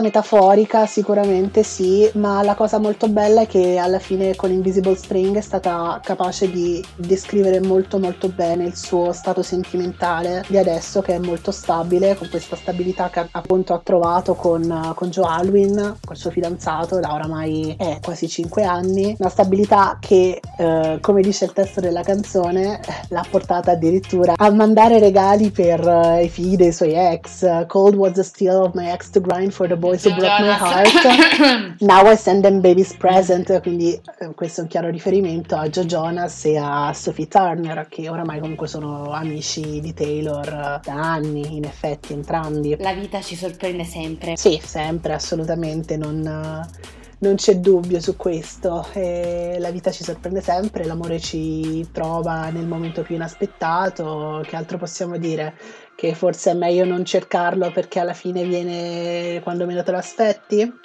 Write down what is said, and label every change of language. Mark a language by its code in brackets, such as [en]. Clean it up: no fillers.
[it] metaforica sicuramente sì, ma la cosa molto bella è che alla fine con Invisible String è stata capace di descrivere molto molto bene il suo stato sentimentale di adesso, che è molto stabile, con questa stabilità che appunto ha trovato con Joe Alwyn, col suo fidanzato da oramai è quasi 5 anni, una stabilità che come dice il testo della canzone l'ha portata addirittura a mandare regali per i figli dei suoi ex. [en] Cold was the steel of my axe to grind for the boys who broke my heart, now I send them babies present. [it] Quindi questo è un chiaro riferimento a Joe Jonas e a Sophie Turner, che oramai comunque sono amici di Taylor da anni, in effetti entrambi. La vita ci sorprende sempre. Sì, sempre, assolutamente, non c'è dubbio su questo, e la vita ci sorprende sempre, l'amore ci trova nel momento più inaspettato, che altro possiamo dire, che forse è meglio non cercarlo perché alla fine viene quando meno te lo aspetti?